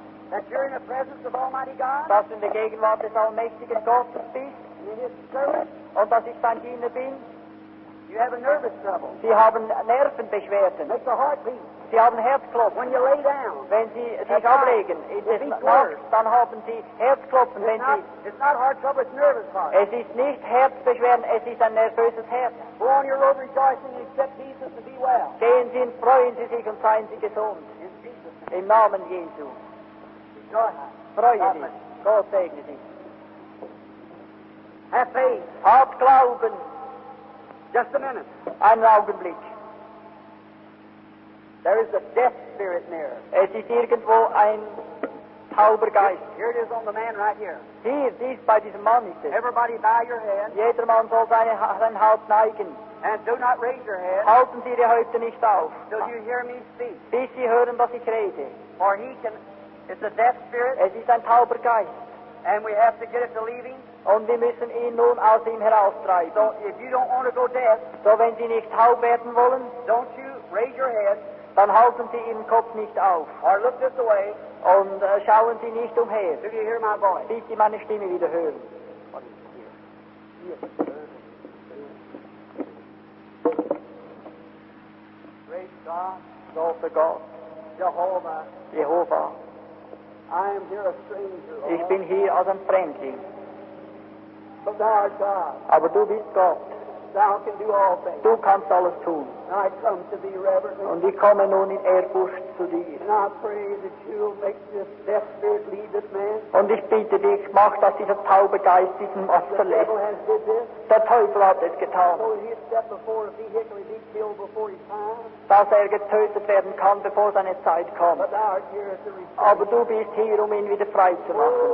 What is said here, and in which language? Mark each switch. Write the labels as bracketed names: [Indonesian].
[English] that you're in the presence of Almighty God? [German] Dass du in der Gegenwart des Allmächtigen Gottes bist? Und dass ich dein Diener bin? [English] You have a nervous trouble. [German] Sie haben Nervenbeschwerden. [English] Make the heart beat. [German] Sie haben Herzklopfen. [English] When you lay down, [German] wenn Sie sich ablegen, dann haben Sie Herzklopfen. Es ist nicht Herzbeschwerden, es ist ein nervöses Herz. [English] Go on your road rejoicing and accept Jesus to be well. [German] Gehen Sie und freuen Sie sich und seien Sie gesund. Im Namen Jesu. Freue dich. Gott segne dich. [English] Have faith. [German] Hab Glauben. [English] Just a minute. [German] Einen Augenblick. [English] There is a death spirit near. [German] Es ist irgendwo ein tauber Geist. [English] Here it is on the man right here. [German] Hier, dies bei diesem Mann ist es. [English] Everybody bow your head. [German] Jeder Mann soll sein Haupt neigen. [English] And do not raise your head. [German] Halten Sie Ihre Häupte nicht auf. [English] Till you hear me speak. [German] Bis Sie hören, was ich rede. [English] For he can. It's a death spirit. [German] Es ist ein tauber Geist. [English] And we have to get it to leave him. [German] Und wir müssen ihn nun aus ihm heraustreiben. [English] So if you don't want to go deaf, [German] so wenn Sie nicht taub werden wollen, [English] don't you raise your head. [German] Dann halten Sie Ihren Kopf nicht auf. [English] Or look this way. [German] Und schauen Sie nicht umher. [English] Do you hear my voice? [German] Bitte Sie meine Stimme wieder hören. [English] Great God. Lord God. Jehovah. Jehovah. I am here a stranger. [German] Ich bin hier als ein Fremdling. [English] But thou art God. [German] Aber du bist Gott. [English] Thou can do all things. [German] Du kannst alles tun. [English] I come to thee reverently. [German] Und ich komme nun in Ehrfurcht zu dir. [English] And I pray that you will make this deaf spirit leave this man. [German] Und ich bitte dich, mach, dass dieser taube Geist diesen Mann verlässt. [English] The devil has did this. [German] Der Teufel hat es getan. [English] So he step before a vehicle be killed before his time. [German] Dass er getötet werden kann, bevor seine Zeit kommt. [English] But thou art here to receive. [German] Aber du bist hier, um ihn wieder frei zu machen.